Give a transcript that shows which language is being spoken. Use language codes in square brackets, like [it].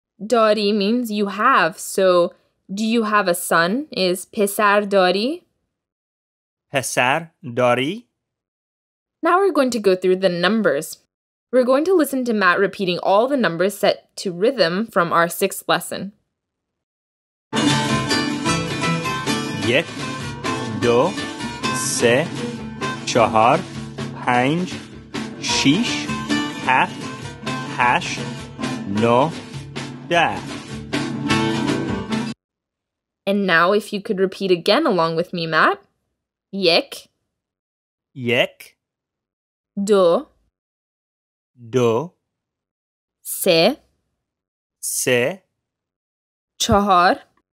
[en] داری means you have, so do you have a son is [fa] پسر داری? پسر داری? [en] Now we're going to go through the numbers. We're going to listen to Matt repeating all the numbers set to rhythm from our sixth lesson. [fa] یک، دو، سه، چهار، پنج، شیش، هفت، هشت، نو، ده. [en] And now if you could repeat again along with me, Matt. [fa] یک. یک. دو دو سه سه چهار